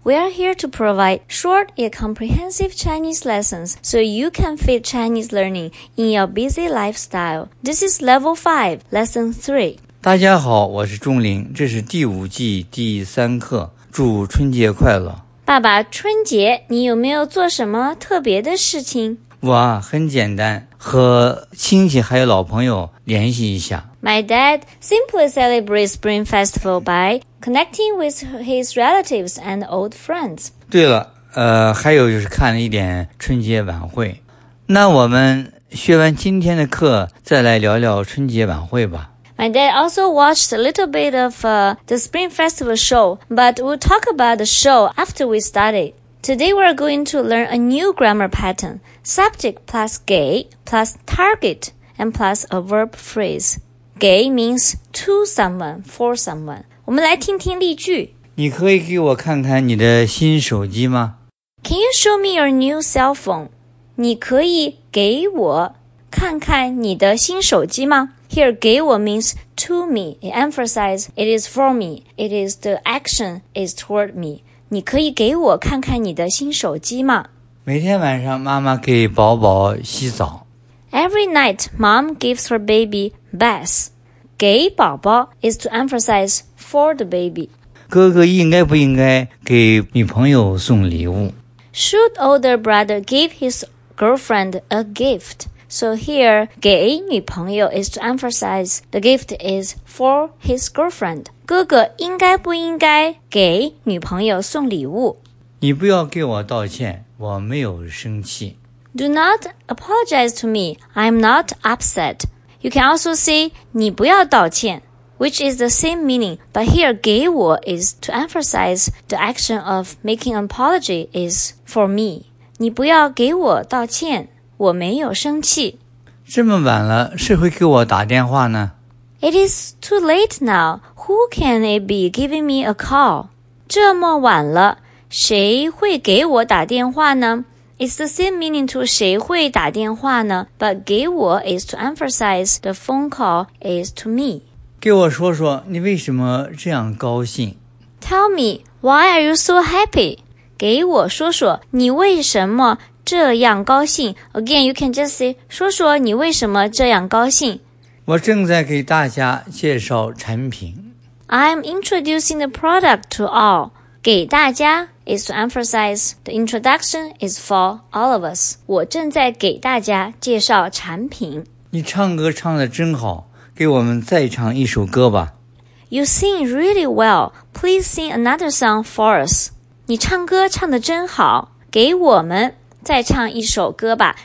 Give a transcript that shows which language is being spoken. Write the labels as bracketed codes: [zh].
[en] We are here to provide short yet comprehensive Chinese lessons so you can fit Chinese learning in your busy lifestyle. This is Level 5, Lesson 3. [zh] 大家好，我是钟林，这是第五季第三课，祝春节快乐。爸爸，春节你有没有做什么特别的事情？我很简单，和亲戚还有老朋友联系一下。 [en] My dad simply celebrates Spring Festival by connecting with his relatives and old friends. [zh] 对了，还有就是看了一点春节晚会。那我们学完今天的课，再来聊聊春节晚会吧。 [en] My dad also watched a little bit of the Spring Festival show, but we'll talk about the show after we study. Today we're going to learn a new grammar pattern, subject plus 给 plus target and plus a verb phrase. 给 means to someone, for someone. [zh] 我们来听听例句。你可以给我看看你的新手机吗？ [en] Can you show me your new cell phone? [zh] 你可以给我看看你的新手机吗？ [en] Here, 给我 means to me. It emphasizes it is for me. It is the action is toward me. [zh] 你可以给我看看你的新手机吗？每天晚上妈妈给宝宝洗澡。 [en] Every night, mom gives her baby baths. 给宝宝 is to emphasize for the baby. [zh] 哥哥应该不应该给女朋友送礼物? [en] Should older brother give his girlfriend a gift? So here, 给女朋友 is to emphasize the gift is for his girlfriend. [zh] 哥哥应该不应该给女朋友送礼物? 你不要给我道歉,我没有生气。 [en] Do not apologize to me. I'm not upset. You can also say, [zh] 你不要道歉, [en] which is the same meaning. But here, 给我 is to emphasize the action of making an apology is for me. [zh] 你不要给我道歉,我没有生气。这么晚了,谁会给我打电话呢? [en] It is too late now. Who can it be giving me a call? [zh] 这么晚了,谁会给我打电话呢? [en] It's the same meaning to [zh] 谁会打电话呢? [en] But 给我 is to emphasize the phone call is to me. [zh] 给我说说你为什么这样高兴? [en] Tell me, why are you so happy? [zh] 给我说说你为什么这样高兴? [en] Again, you can just say, [zh] 说说你为什么这样高兴? 我正在给大家介绍产品。 [en] I'm introducing the product to all. 给大家。 Is to emphasize the introduction is for all of us. [zh] 我正在给大家介绍产品。你唱歌唱得真好，给我们再唱一首歌吧。 [en] You sing really well. Please sing another song for us. [zh] 你唱歌唱得真好，给我们再唱一首歌吧。